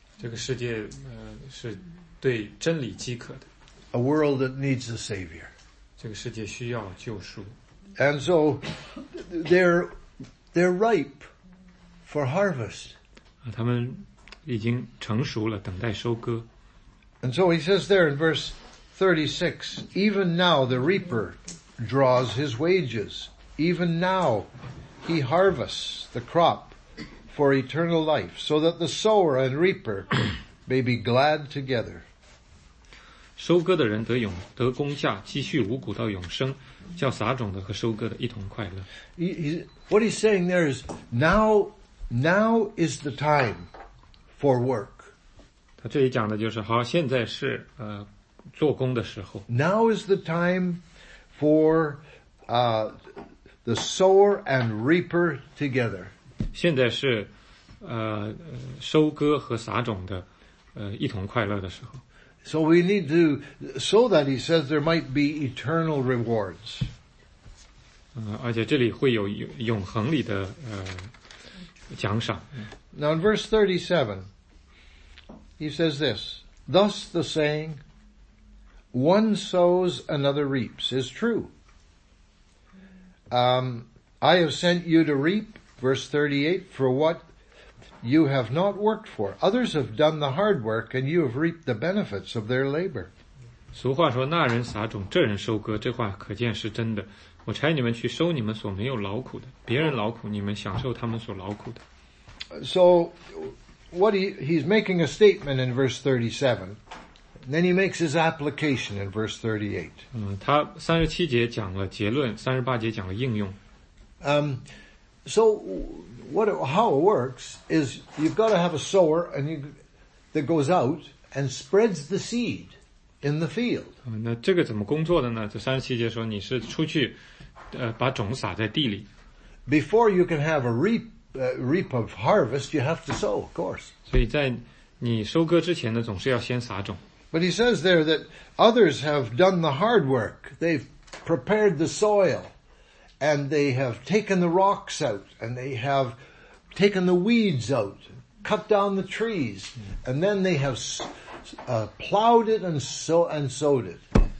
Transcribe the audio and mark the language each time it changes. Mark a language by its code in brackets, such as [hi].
[zh] 这个世界是对真理饥渴的。 [en] A world that needs a savior. [zh] 这个世界需要救赎。 [en] And so, they're ripe for harvest. [zh] 他们已经成熟了，等待收割。 [en] And so he says there in verse 36, even now the reaper draws his wages. Even now he harvests the crop for eternal life, so that the sower and reaper may be glad together. [zh] 收割的人得工价，积蓄五谷到永生，叫撒种的和收割的一同快乐。 [en] What he's saying there is now is the time for work. [zh] 他这里讲的就是好，现在是做工的时候。 [en] Now is the time for the sower and reaper together. [zh] 现在是收割和撒种的一同快乐的时候。 [en] So we need to, so that he says there might be eternal rewards. [zh] 而且这里会有永恒里的奖赏。 [en] Now in verse 37, he says this, thus the saying, one sows, another reaps, is true. I have sent you to reap, verse 38, for what you have not worked for. Others have done the hard work and you have reaped the benefits of their labor. [zh] 俗话说，那人撒种，这人收割，这话可见是真的。我差你们去收你们所没有劳苦的，别人劳苦，你们享受他们所劳苦的。 [en] So, he's making a statement in verse 37, and then he makes his application in verse 38. [zh] 他37节讲了结论，38节讲了应用。 [en] So, how it works is you've got to have a sower that goes out and spreads the seed in the field. [zh] 那这个怎么工作的呢？这37节说你是出去把种撒在地里。 [en] Before you can have a reap of harvest, you have to sow, of course. [zh] 所以在你收割之前呢，总是要先撒种。 [en] But he says there that others have done the hard work. They've prepared the soil, and they have taken the rocks out, and they have taken the weeds out, cut down the trees, and then they have plowed it and sowed it.